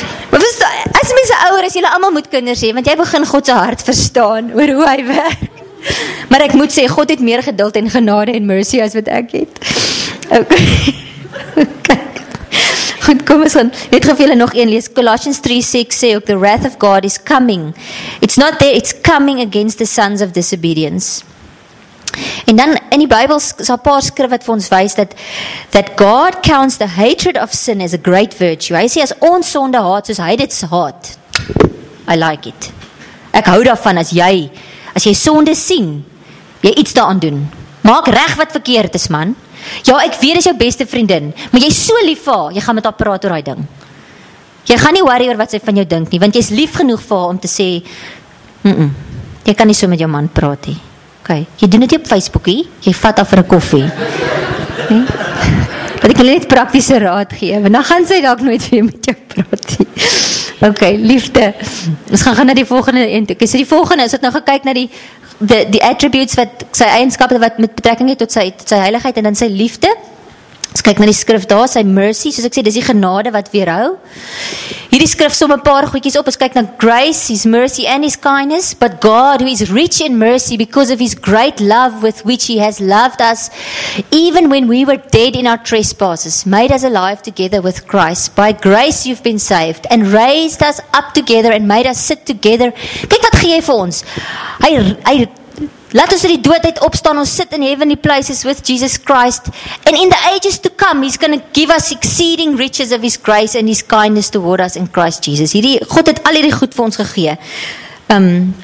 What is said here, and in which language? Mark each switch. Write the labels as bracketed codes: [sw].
[af] Maar verstaan, as mense ouer is, julle almal moet kinders hê, want jy begin God se hart verstaan oor hoe hy werk. Maar ek moet sê, God het meer geduld en genade en mercy as wat ek het. Okay. Goed, kom ons gaan. Net gou vir julle nog een lees. [en] Colossians 3:6 sê ook, the wrath of God is coming. It's not there, it's coming against the sons of disobedience. [af] En dan in die Bybel is daar 'n paar skrif wat vir ons wys dat [en] God counts the hatred of sin as a great virtue. [af] Hy sê as ons sonde haat soos hy dit haat, [en] I like it. [af] Ek hou daarvan as jy sonde sien, jy iets daaraan doen. Maak reg wat verkeerd is, man. Ja, ek weet dis jou beste vriendin, maar jy is so lief vir haar, jy gaan met haar praat oor daai ding. Jy gaan nie worry oor wat sy van jou dink nie, want jy is lief genoeg vir haar om te sê, jy kan nie so met jou man praat nie. Okay, jy doen dit op Facebookie, jy vat af vir 'n koffie. Nee? Wat ek jy net praktiese raad gee, want dan gaan sy dalk nooit weer met jou praat. Okay, liefde. Ons gaan na die volgende een toe. Is die volgende, is het nou gekyk na die attributes, wat sy eienskappe wat met betrekking het tot sy heiligheid en dan sy liefde. As kyk na die skrif daar, sy mercy, soos ek sê, dis die genade wat weerhou. Hierdie skrif som 'n paar goedjies op, as kyk na [en] grace, his mercy and his kindness, but God, who is rich in mercy because of his great love with which he has loved us, even when we were dead in our trespasses, made us alive together with Christ. By grace you've been saved, and raised us up together, and made us sit together. [af] Kyk wat gee hy vir ons. Hy Laat ons uit die doodheid opstaan, ons sit in [en] heavenly places with Jesus Christ. And in the ages to come, he's going to give us exceeding riches of his grace and his kindness toward us in Christ Jesus. [af] Hierdie, God het al hierdie goed vir ons gegee.